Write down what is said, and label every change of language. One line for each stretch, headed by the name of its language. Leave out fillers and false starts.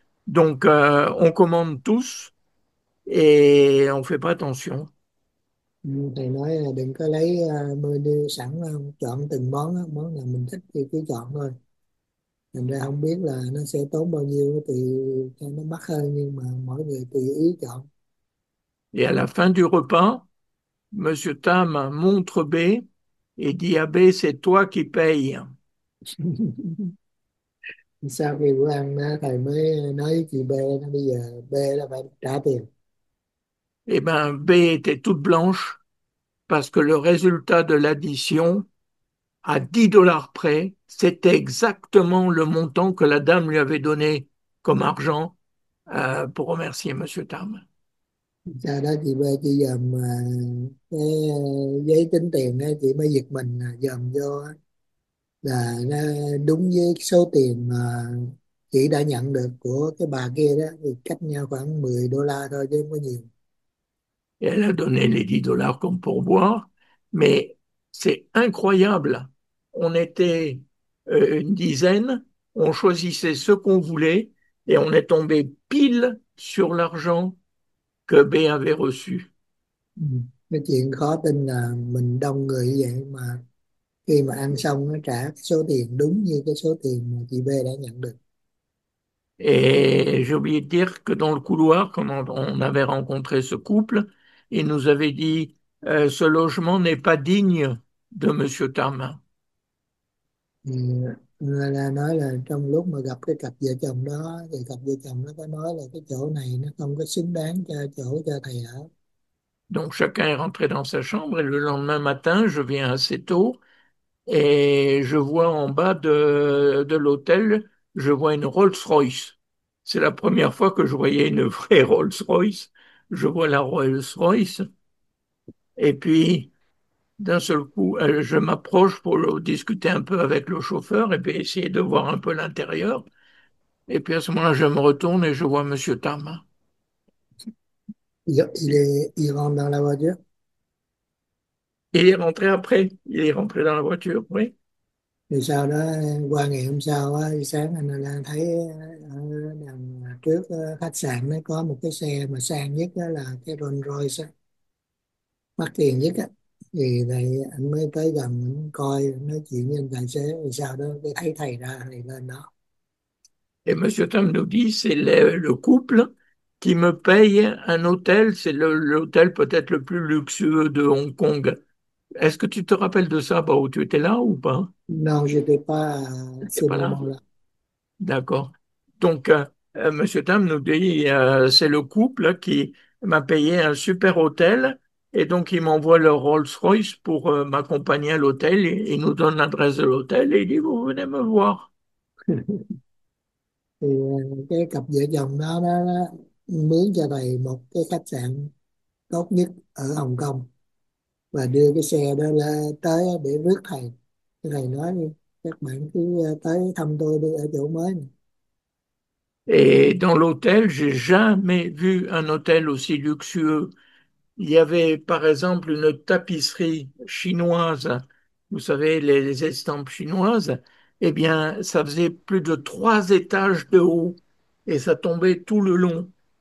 French: Donc on commande tous et on fait pas attention.
Vietnamese: Thầy nói là đừng có lấy menu sẵn, chọn từng món, món nào mình thích thì cứ chọn thôi. Thành ra không biết là nó sẽ tốn bao nhiêu, tùy cho nó mắc hơn, nhưng mà mỗi người tùy ý chọn.
French: Et à la fin du repas, Monsieur Tam montre B et dit à B, c'est toi qui payes.
Vietnamese: Sau khi bữa ăn, thầy mới nói với chị B, nó bây giờ B là phải trả tiền.
French: Eh bien, B était toute blanche parce que le résultat de l'addition, à 10 dollars près, c'était exactement le montant que la dame lui avait donné comme argent pour remercier Monsieur Tam.
Vietnamese: Sau đó chị về chị dòm cái giấy tính tiền đó, chị mới giật mình dòm vô là nó đúng với số tiền mà chị đã nhận được của cái bà kia đó, thì cách nhau khoảng 10 đô la thôi chứ không có nhiều.
French: Et elle a donné les 10 dollars comme pourboire, mais c'est incroyable. On était une dizaine, on choisissait ce qu'on voulait et on est tombé pile sur l'argent que B avait reçu.
Vietnamese: Cái chuyện khó tin là mình đông người như vậy mà khi mà ăn xong nó trả số tiền đúng như cái số tiền mà chị B đã nhận được.
French: Et j'ai oublié de dire que dans le couloir, quand on avait rencontré ce couple, il nous avait dit, ce logement n'est pas digne de Monsieur Tarmin.
Vietnamese: Là nói là trong lúc mà gặp cái cặp vợ chồng đó, thì cặp vợ chồng nó có nói là cái chỗ này nó không có xứng đáng cho chỗ cho thầy ở.
French: Donc chacun est rentré dans sa chambre et le lendemain matin, je viens assez tôt et je vois en bas de l'hôtel, je vois une Rolls-Royce. C'est la première fois que je voyais une vraie Rolls-Royce. Je vois la Rolls-Royce et puis d'un seul coup, je m'approche pour discuter un peu avec le chauffeur et puis essayer de voir un peu l'intérieur. Et puis à ce moment-là, je me retourne et je vois Monsieur Tama. Il rentre dans la voiture. Il est rentré après. Il est rentré dans la voiture, oui.
Vietnamese: Thì sau đó qua ngày hôm sau á, sáng anh đang thấy ở đằng trước khách sạn nó có một cái xe mà sang nhất đó là cái Rolls Royce mắc tiền nhất á, thì vậy anh mới tới gần coi nói chuyện với anh tài xế, sau đó cái thấy thầy ra thì lên đó.
French: Et Monsieur Tam nous dit, c'est le couple qui me paye un hôtel. C'est l'hôtel peut-être le plus luxueux de Hong Kong. Est-ce que tu te rappelles de ça, bah, où tu étais là ou pas? Non, je n'étais pas Tu n'étais ce pas là? moment-là. D'accord. Donc, Monsieur Tam nous dit, c'est le couple qui m'a payé un super hôtel. Et donc, il m'envoie le Rolls-Royce pour m'accompagner à l'hôtel. Il nous donne l'adresse de l'hôtel et il dit, vous venez me voir.
Vietnamese: Thì cái cặp vợ chồng đó mướn cho thầy một cái khách sạn tốt nhất ở Hồng Kông và đưa cái xe đó tới để rước thầy. Thầy nói đi, các bạn cứ tới thăm tôi đi ở chỗ mới này.
French: Et dans l'hôtel, j'ai jamais vu un hôtel aussi luxueux. Il y avait, par exemple, une tapisserie chinoise. Vous savez, les estampes chinoises. Eh bien, ça faisait plus de 3 étages de haut et ça tombait tout le long.